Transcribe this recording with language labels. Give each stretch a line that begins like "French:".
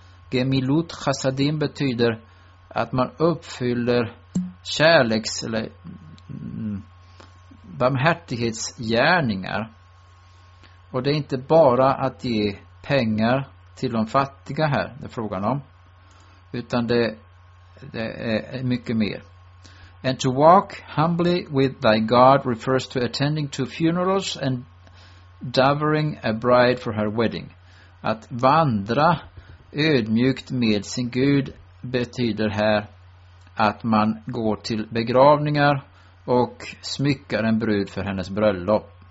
Swedish: Gemilut chasadim betyder att man uppfyller kärleks eller barmhärtighetsgärningar. Och det är inte bara att ge pengar till de fattiga här, det är frågan om, utan det är mycket mer.
English: And to walk humbly with thy God refers to attending to funerals and dowering a bride for her wedding.
Swedish: Att vandra ödmjukt med sin Gud betyder här att man går till begravningar och smyckar en brud för hennes bröllop.